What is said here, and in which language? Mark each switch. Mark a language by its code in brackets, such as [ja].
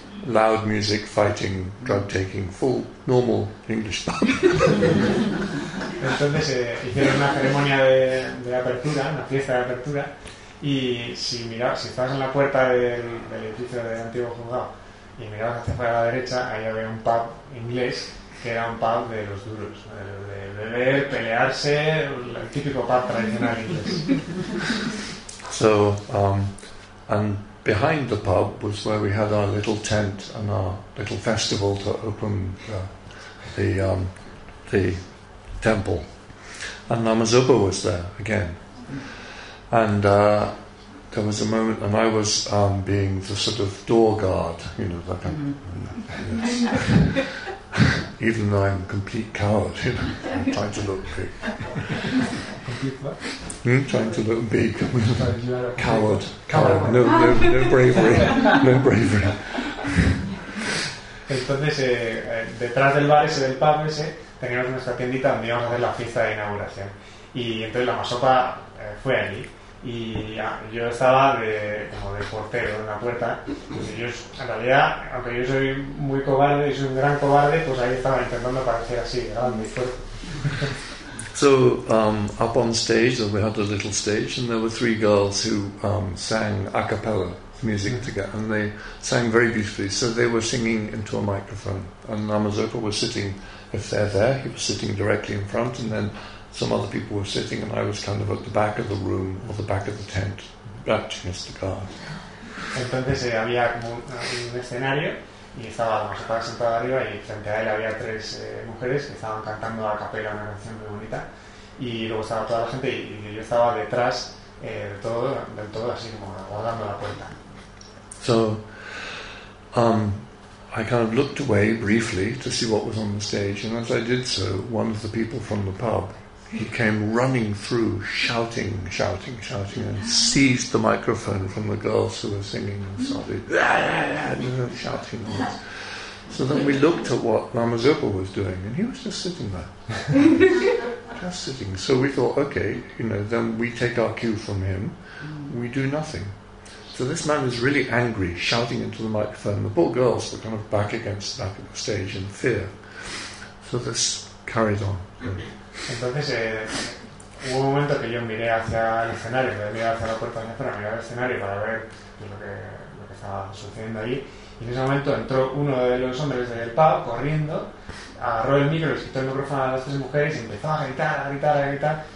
[en] Loud music, fighting, drug taking, full normal English pub. [es] Entonces hicieron una ceremonia de apertura, una fiesta de apertura, y si estabas en la puerta del edificio del antiguo juzgado y mirabas hacia afuera a la derecha, ahí había un pub inglés, que era un pub de los duros, de beber, pelearse, el típico pub tradicional inglés. [en] So, and behind the pub was where we had our little tent and our little festival to open the temple. And Lama Zopa was there again. And there was a moment, and I was being the sort of door guard, you know, the kind of, yes. even though I'm a complete coward, you know, I'm trying to look big. What? Trying to look big. Coward. No bravery. No bravery. [es] Entonces, detrás del bar ese, del pub ese, teníamos nuestra tiendita donde íbamos a hacer la fiesta de inauguración. Y entonces la masopa fue allí. Y yo estaba como de portero en la puerta. Y ellos, en realidad, aunque yo soy muy cobarde y soy un gran cobarde, pues ahí estaba intentando parecer así, ¿verdad? Muy fuerte. [en] So up on stage, and we had a little stage, and there were three girls who sang a cappella music together, and they sang very beautifully. So they were singing into a microphone, and Namazoka was sitting, if they're there, he was sitting directly in front, and then some other people were sitting, and I was kind of at the back of the room, or the back of the tent, acting as the guard. [es] Entonces había como un escenario, y estaba la masopa sentada arriba y frente a él había tres mujeres que estaban cantando a capela una canción muy bonita, y luego estaba toda la gente y yo estaba detrás del todo así como guardando la puerta. [en] So I kind of looked away briefly to see what was on the stage, and as I did so, one of the people from the pub, he came running through shouting and seized the microphone from the girls who were singing and started shouting. So then we looked at what Lama Zopa was doing, and he was just sitting there. Just sitting. So we thought, okay, you know, then we take our cue from him, we do nothing. So this man is really angry, shouting into the microphone. The poor girls were kind of back against the back of the stage in fear. So this carried on. [es] Entonces hubo un momento que yo miré hacia el escenario, me miré hacia la puerta de afuera, miré al escenario para ver lo que estaba sucediendo allí. Y en ese momento entró uno de los hombres del pub corriendo, agarró el micro, les quitó el micrófono a las tres mujeres y empezó a gritar.